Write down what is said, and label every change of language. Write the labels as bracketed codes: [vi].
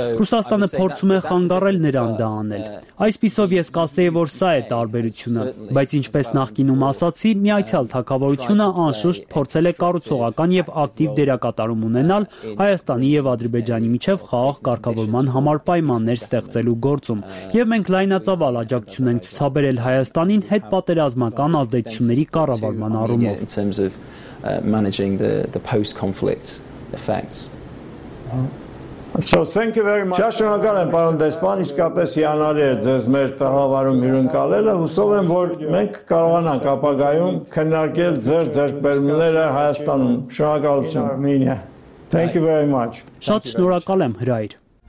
[hy] Ռուսաստանը փորձում է խանգարել նրան դա անել։ Այսպիսով ես կասեի, որ սա է տարբերությունը, բայց ինչպես նախկինում ասացի, Միացյալ Թագավորությունը անշուշտ փորձել է կառուցողական և ակտիվ դերակատարում ունենալ Հայաստանի և Ադրբեջանի միջև խաղաղ կարգավորման համար պայմաններ ստեղծելու գործում, և մենք լայնածավալ աջակցություն ենք ցուցաբերել Հայաստանին հետ պատերազմական ազդեցությունների կառավարման առումով. [en] In terms of managing the post-conflict effects. So thank you very much. [hy] Շնորհակալ եմ, պարոն Դեսպան, իսկապես հիանալի էր ձեզ մեր տաղավարում հյուրընկալելը։ Հուսով եմ, որ մենք կարողանանք ապագայում քննարկել ձեր ձեռքբերումները Հայաստանում։ Շնորհակալություն։ [en] Thank you very much. [hy] Շատ շնորհակալ եմ, հրայր։